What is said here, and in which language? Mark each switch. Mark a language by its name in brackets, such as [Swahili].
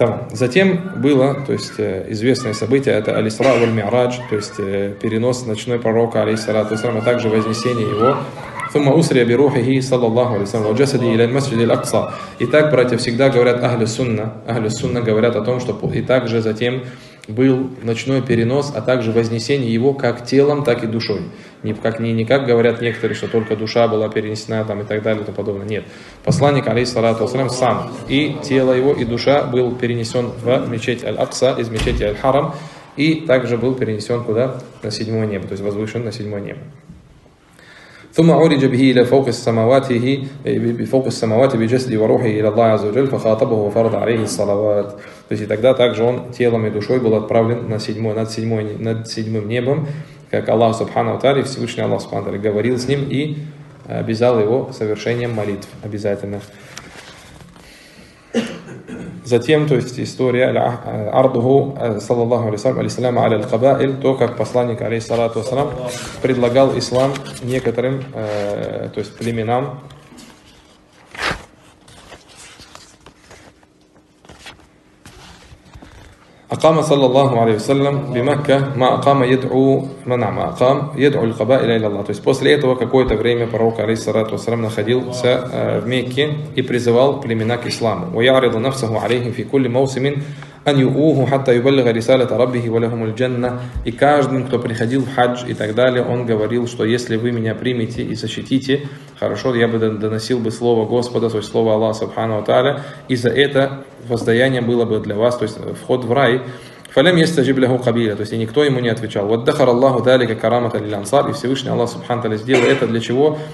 [Russian] Затем было, то есть известное событие, это Алисра валь-Миърадж, то есть перенос ночной пророка, алейхиссалату вассалям, а также вознесение его. [Arabic] ثم أسري بروحه صلى الله عليه وسلم وجسدي إلى المسجد الأقصى. [Russian] Итак, братья всегда говорят [Arabic] أهل السنة. [Russian] أهل السنة говорят о том, что и также затем был ночной перенос, а также вознесение его как телом, так и душой. Не как, не как говорят некоторые, что только душа была перенесена там и так далее и тому подобное. Нет. Посланник, алейхиссалату вассалям, сам и тело его, и душа был перенесен в мечеть Аль-Акса, из мечети Аль-Харам, и также был перенесен куда? На седьмое небо, то есть возвышен на седьмое небо. [Arabic] ثم عرج به إلى فوق السماوات بفوق السماوات بجسد وروحه إلى الله عز وجل فخاطبه وفرض عليه الصلوات. [Russian] То есть тогда также он телом и душой был отправлен на седьмое, над седьмым небом, как Аллах Субхана ва Тааля, Всевышний Аллах Субхана ва Тааля говорил с ним и обязал его совершением молитв обязательно. Затем, то есть история Ардуху, саллаллаху алейхиссалям, аль-Кабаил, то, как посланник, алейхиссалату ассалам, предлагал ислам некоторым, то есть племенам. [Arabic] أقام صلى الله عليه وسلم بمكة ما أقام يدعو من عم أقام يدعو القبائل إلى الله. [Russian] То есть после этого какое-то время пророк алейхиссалату вассалям находился в Мекке и призывал племена к исламу. [Arabic] ويعرض نفسه عليهم في كل موسم أن يؤوه حتى يبلغ رسالة ربه ولهم الجنة. [Russian] И каждым, кто приходил в хадж и так далее, он говорил, что если вы меня примете и защитите, хорошо, я бы доносил бы слово Господа, то есть слово Аллаха Субхана ва Тааля, и за это воздаяние было бы для вас, то есть вход в рай. [Arabic] فَلَمْ يَسْتَجِبْ لَهُ قَبِيلًا. [Russian] То есть никто ему не отвечал. [Arabic] وَدَّخَرَ اللَّهُ ذَلِكَ كَرَامَةً لِلْأَنْصَارِ. [Russian] И Всевышний Аллах Субхана ва Тааля сделал это для чего?